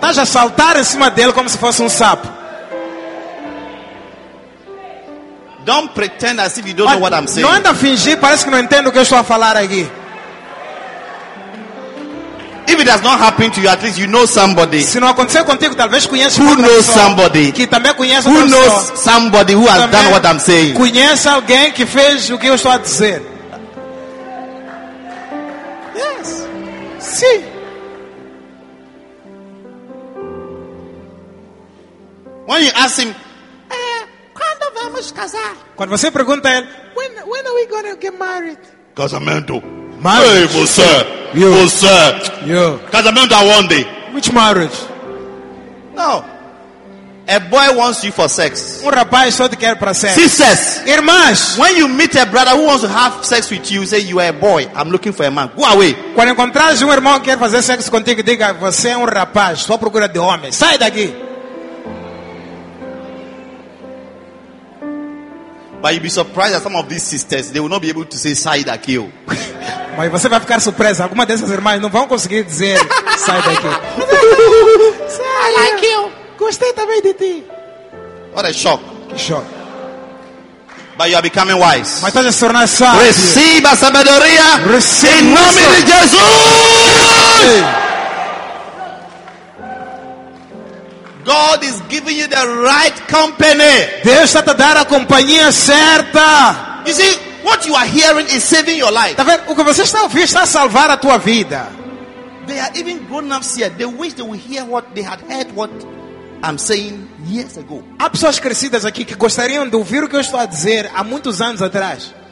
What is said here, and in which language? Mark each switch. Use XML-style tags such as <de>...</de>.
<pt>Estás a saltar em cima dele como se fosse sapo.</pt> <en>Don't pretend as if you don't know what I'm saying.</en> <pt>Não anda a fingir, parece que não entendo o que eu estou a falar aqui.</pt> <en>If it has not happened to you, at least you know somebody.</en> <pt>Se não aconteceu contigo, talvez conheça</pt> <en>who knows somebody.</en> <pt>Que também conhece</pt> <en>who knows somebody who has done what I'm saying.</en> <pt>Conhece alguém que fez o que eu estou a dizer.</pt> <en>Yes.</en> <pt>Sim.</pt> <en>When you ask him,</en> <pt>quando você pergunta a ele,</pt> <en>when are we going to get married?</en> <pt>Casamento.</pt> <en>Marriage.</en> <pt>Hey, você.</pt> <en>You.</en> <pt>Você.</pt> <en>You. Casamento, I want it. Which marriage? No. A boy wants you for sex.</en> <pt>Um rapaz só te quer para sexo.</pt> <en>Sisters,</en> <pt>irmãs,</pt> <en>when you meet a brother who wants to have sex with you, say you are a boy. I'm looking for a man. Go away.</en> <pt>Quando encontrares irmão que quer fazer sexo contigo, diga você é rapaz, só procura de homem. Sai daqui.</pt> <en>But you'll be surprised that some of these sisters, they will not be able to say</en> <pt>sai daqui. Mas você vai ficar surpresa. Algumas dessas irmãs não vão conseguir dizer sai daqui.</pt> <en>I like you.</en> <pt>Gostei também de ti.</pt> <en>What a shock.</en> <pt>Que shock.</pt> <en>But you are becoming wise.</en> <pt>Mas estás a tornar sábio. Receba a sabedoria. Receba em nome de Jesus.</pt> <en>God is giving you the right company.</en> <pt>Deus está a dar a companhia certa.</pt> <en>You see, what you are hearing is saving your life.</en> <pt>Tá vendo? O que você está a ouvir está a salvar a tua vida.</pt> <en>They are even grown-ups here. They wish they would hear what they had heard what I'm saying years ago.</en> <pt>Há pessoas crescidas aqui que gostariam de ouvir o que eu estou a dizer há muitos anos atrás.</pt>